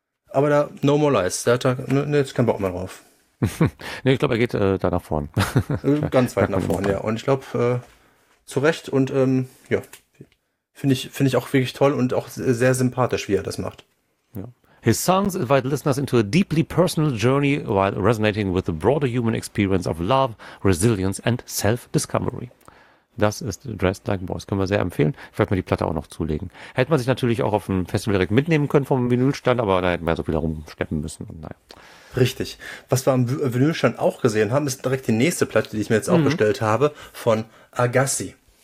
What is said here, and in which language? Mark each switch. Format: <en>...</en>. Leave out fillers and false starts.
<de>Aber da, no more lies, da hat er, ne, jetzt kann man auch mal drauf. Nee, ich glaube, er geht da nach vorn. Ganz weit nach vorn, ja. Und ich glaube, zu Recht und ja. Finde ich auch wirklich toll und auch sehr sympathisch, wie er das macht. Ja.</de> <en>His songs invite listeners into a deeply personal journey while resonating with the broader human experience of love, resilience and self-discovery.</en> <de>Das ist Dressed Like Boys. Können wir sehr empfehlen. Ich werde mir die Platte auch noch zulegen. Hätte man sich natürlich auch auf dem Festival direkt mitnehmen können vom Vinylstand, aber da hätten wir so viel rumschleppen müssen. Und naja. Richtig. Was wir am Vinylstand auch gesehen haben, ist direkt die nächste Platte, die ich mir jetzt auch bestellt habe, von Agassi.</de>